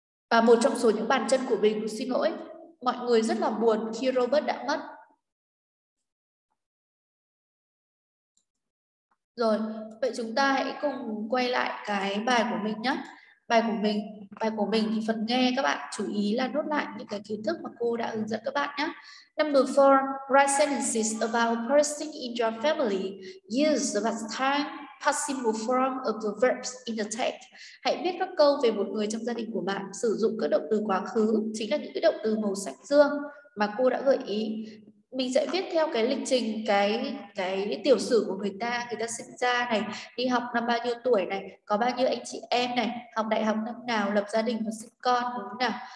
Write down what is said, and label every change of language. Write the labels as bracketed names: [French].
[Vietnamese] Và một trong số những bàn chân của mình, xin lỗi, mọi người rất là buồn khi Robert đã mất. Rồi, vậy chúng ta hãy cùng quay lại cái bài của mình nhé. Bài của mình thì phần nghe các bạn chú ý là nốt lại những cái kiến thức mà cô đã hướng dẫn các bạn nhé. [English] Number 4, write sentences about a person in your family. Use the past tense passive form of the verbs in the text. [Vietnamese] Hãy viết các câu về một người trong gia đình của bạn sử dụng các động từ quá khứ, chính là những cái động từ màu xanh dương mà cô đã gợi ý. Mình sẽ viết theo cái lịch trình, cái tiểu sử của người ta sinh ra này, đi học năm bao nhiêu tuổi này, có bao nhiêu anh chị em này, học đại học năm nào, lập gia đình và sinh con, đúng không nào?